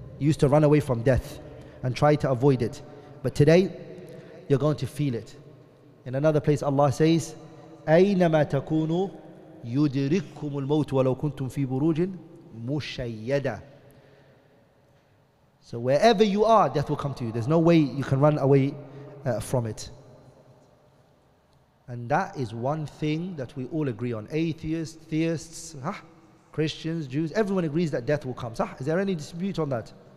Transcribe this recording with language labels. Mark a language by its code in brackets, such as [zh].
[en] You used to run away from death and try to avoid it. But today, you're going to feel it. [ar] In another place, Allah says, أَيْنَمَا تَكُونُوا يُدْرِكُمُ الْمَوْتُ وَلَوْ كُنْتُمْ فِي بُرُوجٍ مُشَيَّدًا. [en] So wherever you are, death will come to you. There's no way you can run away from it. And that is one thing that we all agree on. Atheists, theists, huh? Christians, Jews, everyone agrees that death will come. Huh? Is there any dispute on that?